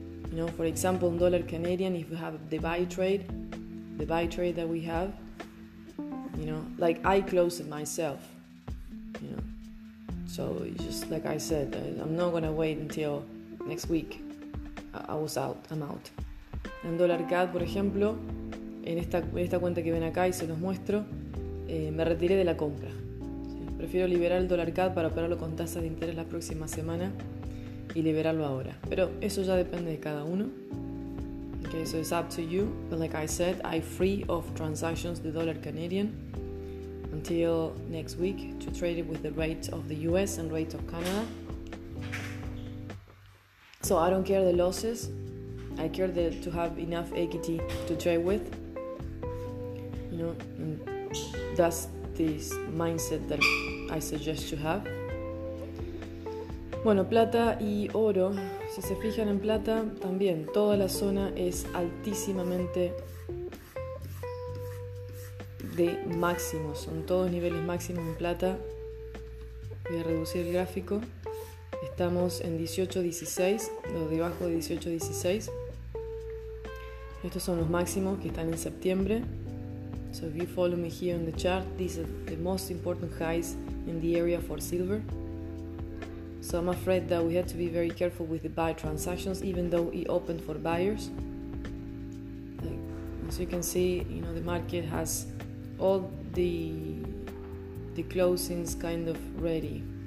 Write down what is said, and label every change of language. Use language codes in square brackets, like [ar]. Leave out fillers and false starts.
[en] You know, for example, in dollar Canadian, if you have the buy trade that we have, you know, like I close it myself, you know. So just like I said, I'm not gonna wait until next week. I'm out. [es] En dólar CAD, por ejemplo, en esta cuenta que ven acá y se los muestro, me retiré de la compra. ¿Sí? Prefiero liberar el dólar CAD para operarlo con tasas de interés la próxima semana y liberarlo ahora. Pero eso ya depende de cada uno. [en] Okay, so it's up to you. But like I said, I free of transactions the dollar Canadian until next week to trade it with the rate of the US and rate of Canada. So I don't care the losses. I care to have enough equity to trade with. You know, and that's this mindset that I suggest to have. [es] Bueno, plata y oro. Si se fijan en plata, también toda la zona es altísimamente de máximos. Son todos niveles máximos en plata. Voy a reducir el gráfico. Estamos en 18.16, lo debajo de 18.16. Estos son los máximos que están en septiembre. [en] So if you follow me here on the chart, these are the most important highs in the area for silver. So I'm afraid that we have to be very careful with the buy transactions, even though it opened for buyers. Like, as you can see, you know, the market has all the closings kind of ready.